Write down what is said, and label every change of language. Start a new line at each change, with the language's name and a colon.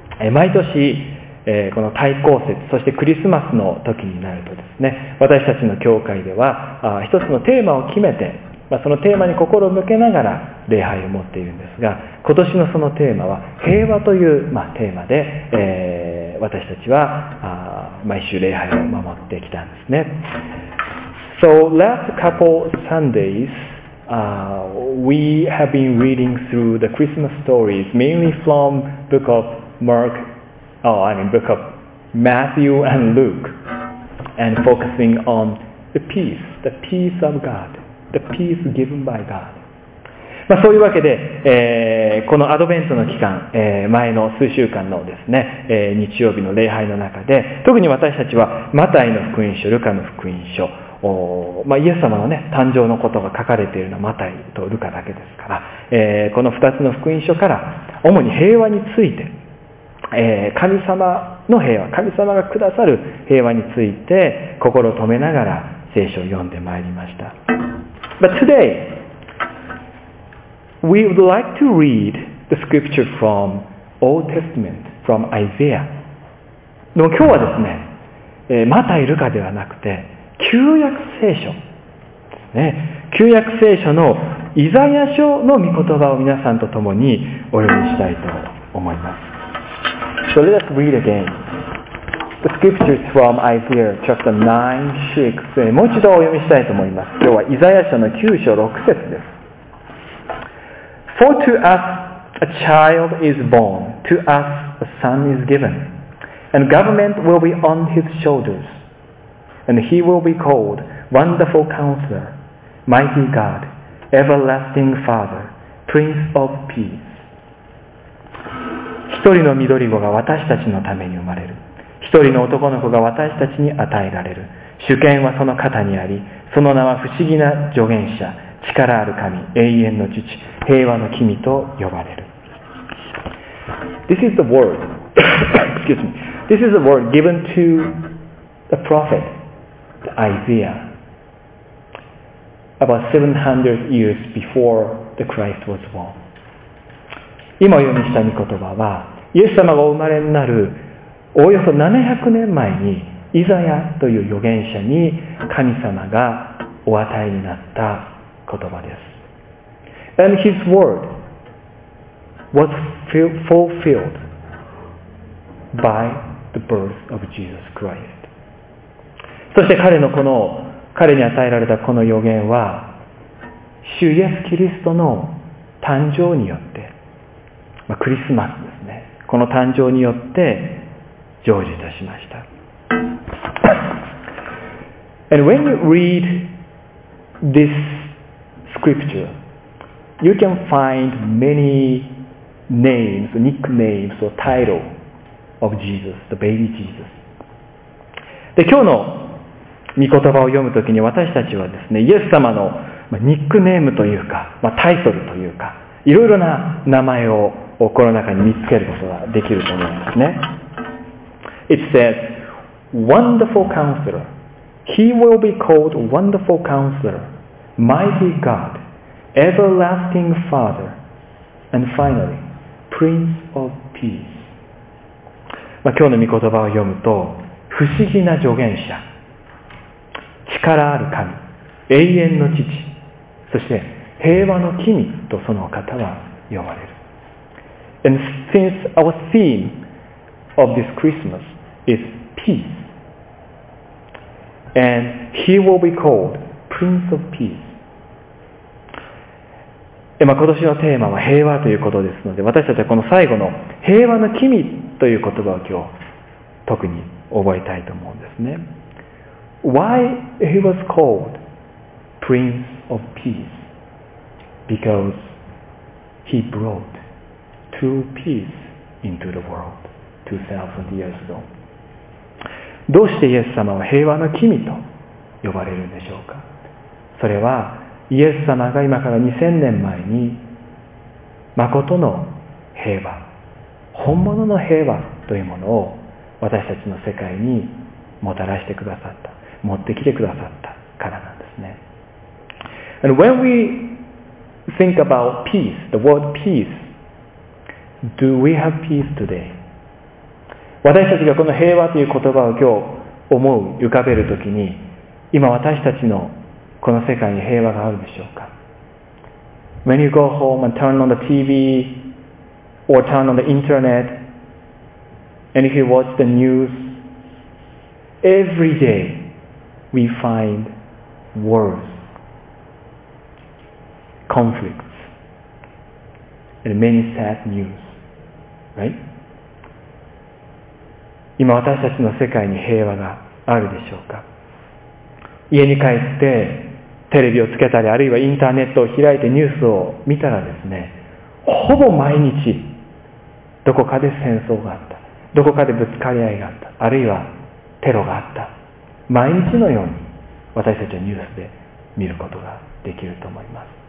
Japanese: 毎年この大降節、そしてクリスマスの時になるとですね、私たちの教会では一つのテーマを決めて、そのテーマに心を向けながら礼拝を持っているんですが、今年のそのテーマは平和という、テーマで、私たちは毎週礼拝を守ってきたんですね。
English: So last couple Sundays、we have been reading through the Christmas stories mainly from book of MarkBook of Matthew and Luke, and focusing on the peace of God, the peace given by God.
Japanese: そういうわけで、このアドベントの期間、前の数週間のですね、日曜日の礼拝の中で、特に私たちはマタイの福音書、ルカの福音書、イエス様の、誕生のことが書かれているのはマタイとルカだけですから、この2つの福音書から、主に平和について、神様の平和、神様がくださる平和について心を止めながら聖書を読んでまいりました。
English: But today, we would like to read the scripture from Old Testament, from Isaiah.
Japanese: でも今日はですね、マタイ・ルカではなくて、旧約聖書ですね。旧約聖書のイザヤ書の御言葉を皆さんと共にお読みしたいと思います。
English: So let us read again. The scriptures from Isaiah chapter 9, 6.
Japanese: もう一度お読みしたいと思います。今日はイザヤ書の9章6節です。
English: For to us a child is born, to us a son is given, and government will be on his shoulders, and he will be called Wonderful Counselor, Mighty God, Everlasting Father, Prince of Peace.
Japanese: 一人の緑子が私たちのために生まれる。一人の男の子が私たちに与えられる。主権はその肩にあり、その名は不思議な助言者、力ある神、永遠の父、平和の君と呼ばれる。
English: This is the word. Excuse me. This is the word given to the prophet, Isaiah, about 700 years before the Christ was born.
Japanese: 今読みした御言葉は、イエス様がお生まれになるおおよそ700年前にイザヤという預言者に神様がお与えになった言葉です。
English: And his word was fulfilled by the birth of Jesus Christ.
Japanese: そして彼に与えられたこの預言は、主イエスキリストの誕生によって、クリスマスですね。この誕生によって成就いたしました。
English: And when you read this scripture, You can find many names, nicknames or title of Jesus, the baby Jesus.
Japanese: で、今日の御言葉を読むときに私たちはですね、イエス様のニックネームというか、タイトルというか、いろいろな名前をこの中に見つけることができると思いますね。
English: It says, Wonderful Counselor. He will be called Wonderful Counselor, Mighty God, Everlasting Father, and finally, Prince of Peace.
Japanese: 今日の御言葉を読むと、不思議な助言者、力ある神、永遠の父、そして平和の君とその方は呼ばれる。
English: And since our theme of this Christmas is peace, and he will be called Prince of Peace.
Japanese: 今年のテーマは平和ということですので、私たちはこの最後の平和の君という言葉を今日特に覚えたいと思うんですね。
English: Why he was called Prince of Peace? Because he brought true peace into the world 2000 years ago.
Japanese: どうしてイエス様は平和の君と呼ばれるんでしょうか？それはイエス様が今から2000年前に真の平和、本物の平和というものを私たちの世界にもたらしてくださった、持ってきてくださったからなんですね。
English: And when we think about peace, the word peace, do we have peace today?
Japanese: 私たちがこの平和という言葉を今日思う、浮かべるときに、今私たちのこの世界に平和があるでしょうか。
English: When you go home and turn on the TV or turn on the internet,And if you watch the news, every day we find wars, conflicts, and many sad news, right?
Japanese: 今私たちの世界に平和があるでしょうか？家に帰ってテレビをつけたり、あるいはインターネットを開いてニュースを見たらですね、ほぼ毎日どこかで戦争があった。どこかでぶつかり合いがあった、あるいはテロがあった、毎日のように私たちはニュースで見ることができると思います。